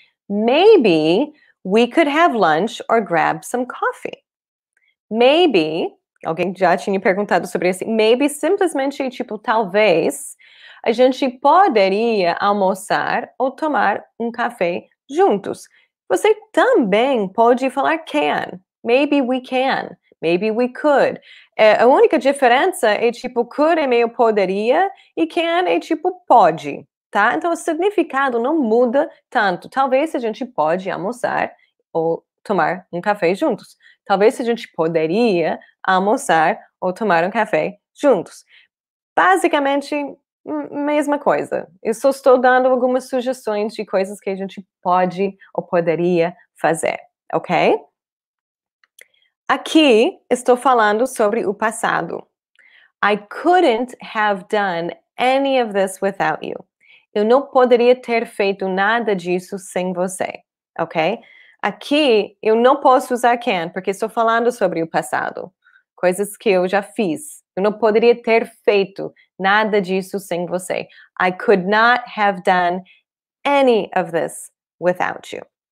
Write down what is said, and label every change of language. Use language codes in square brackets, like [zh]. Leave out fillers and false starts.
[en] Maybe we could have lunch or grab some coffee. [pt] Maybe, alguém já tinha perguntado sobre isso. Maybe, simplesmente, tipo, talvez, a gente poderia almoçar ou tomar um café juntos. Você também pode falar [en] can. Maybe we can. Maybe we could. [pt] A única diferença é, tipo, could é meio poderia e can é, tipo, pode. Tá? Então, o significado não muda tanto. Talvez a gente pode almoçar ou tomar um café juntos. Talvez a gente poderia almoçar ou tomar um café juntos. Basicamente, mesma coisa. Eu só estou dando algumas sugestões de coisas que a gente pode ou poderia fazer, ok? Aqui, estou falando sobre o passado. [en] I couldn't have done any of this without you. [pt] Eu não poderia ter feito nada disso sem você, ok? Aqui, eu não posso usar can, porque estou falando sobre o passado. Coisas que eu já fiz. Eu não poderia ter feito nada disso sem você. [en] I could not have done any of this without you.